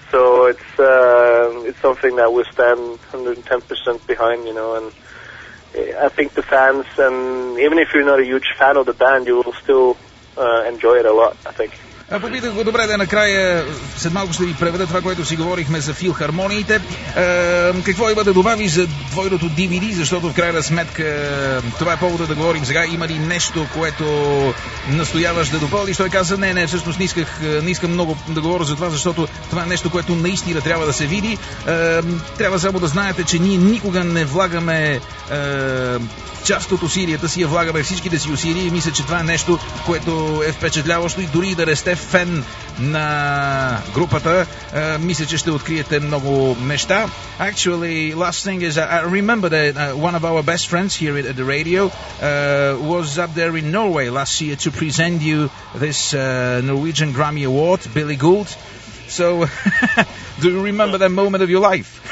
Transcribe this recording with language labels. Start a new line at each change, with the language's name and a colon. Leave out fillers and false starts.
English: So it's something that we stand 110% behind, you know, and I think the fans, and even if you're not a huge fan of the band, you will still enjoy it a lot, I think.
Bulgarian: Попитах го добре, да, накрая след малко ще ви преведа това, което си говорихме за филхармониите. Какво има да добавиш за двойното DVD, защото в крайна сметка това е повода да говорим сега. Има ли нещо, което настояваш да допълниш? Той каза, не, всъщност не искам много да говоря за това, защото това е нещо, което наистина трябва да се види. Трябва само да знаете, че ние никога не влагаме част от усилията си, а влагаме всичките си усилия, и мисля, че това е нещо, което е впечатляващо, и дори да не сте фен на групата, мисля, че ще откриете много неща.
English: Actually, last thing is, I remember that one of our best friends here at the radio was up there in Norway last year to present you this Norwegian Grammy Award, Billy Gould. So, do you remember that moment of your life?